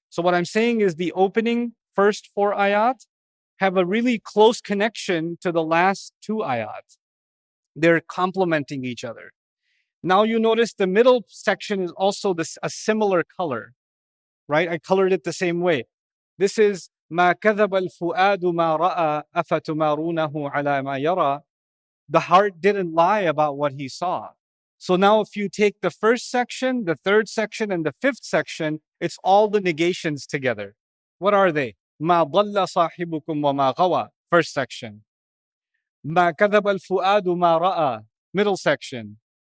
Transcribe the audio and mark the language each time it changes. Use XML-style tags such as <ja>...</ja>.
<en>So what I'm saying is the opening first four ayat have a really close connection to the last two ayat. They're complementing each other. Now you notice the middle section is also a similar color, right? I colored it the same way. This is</en> <ar>مَا كَذَبَ الْفُؤَادُ مَا رَأَى أَفَتُمَارُونَهُ عَلَى مَا يَرَى.</ar> <en>The heart didn't lie about what he saw. So now if you take the first section, the third section, and the fifth section, it's all the negations together. What are they?</en> <ar>مَا ضَلَّ صَاحِبُكُمْ وَمَا غَوَى.</ar> <en>First section.</en> <ar>مَا كَذَبَ الْفُؤَادُ مَا رَأَى.</ar> <en>Middle section.</en>